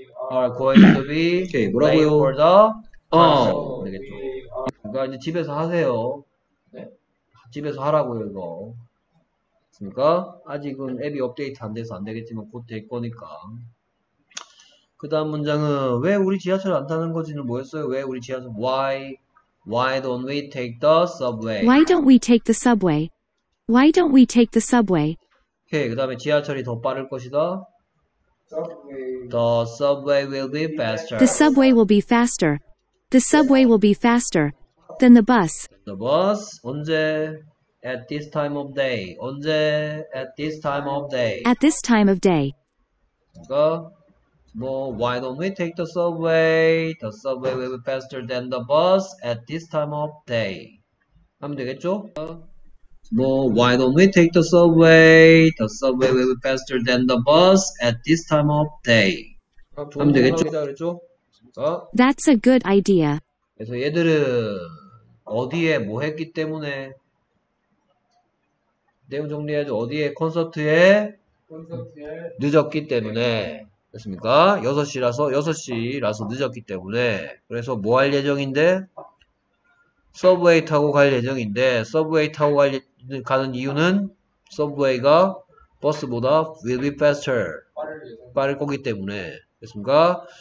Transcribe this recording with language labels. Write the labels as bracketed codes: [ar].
[en] Are going to be late for the concert. [ko] 되겠죠. 그러니까 이제 집에서 하세요. 집에서 하라고요, 이거. 그니까, 아직은 앱이 업데이트 안 돼서 안 되겠지만 곧될 거니까. 그 다음 문장은, 왜 우리 지하철 안 타는 거지는 뭐였어요? 왜 우리 지하철, [en] why don't we take the subway? Why don't we take the subway? Why don't we take the subway? [ko] 오케이, 그 다음에 지하철이 더 빠를 것이다. [en] The subway will be The faster. subway will be faster. The subway will be faster than the bus. The bus, [ko] 언제? [en] At this time of day. 언제? At this time of day. At this time of day. 그러니까 뭐, why don't we take the subway? The subway will be faster than the bus at this time of day. [ko] 하면 되겠죠? [en] 뭐, why don't we take the subway? The subway will be faster than the bus at this time of day. [ko] 하면 좋은 되겠죠? 생각이다 그랬죠? 그러니까 [en] That's a good idea. [ko] 그래서 얘들은 어디에 뭐 했기 때문에 내용 정리해야죠. 어디에 콘서트에 콘서트에 늦었기 때문에 됐습니까? 6시라서 늦었기 때문에 그래서 뭐할 예정인데 서브웨이 타고 갈 예정인데 서브웨이 타고 가는 이유는 서브웨이가 버스보다 [en] will be faster [ko] 빠를 거기 때문에 됐습니까?